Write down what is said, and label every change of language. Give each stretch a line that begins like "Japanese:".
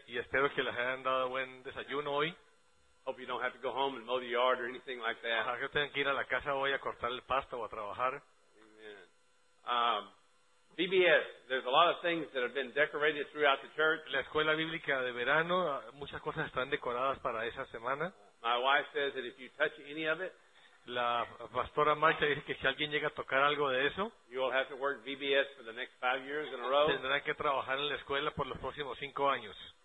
Spanish: Y espero que les hayan dado buen desayuno hoy.
English: Hope you don't have to go home and mow the yard or anything like that.
Spanish: Ojalá que tengan que ir a la casa hoy a cortar el pasto o a trabajar.
English: Amen. VBS, there's a lot of things that have been decorated throughout the church.
Spanish: La escuela bíblica de verano, muchas cosas están decoradas para esa semana.
English: My wife says that if you touch any of it,
Spanish: la pastora Marcia dice que si alguien llega a tocar algo de eso, tendrán que trabajar en la escuela por los próximos 5 años.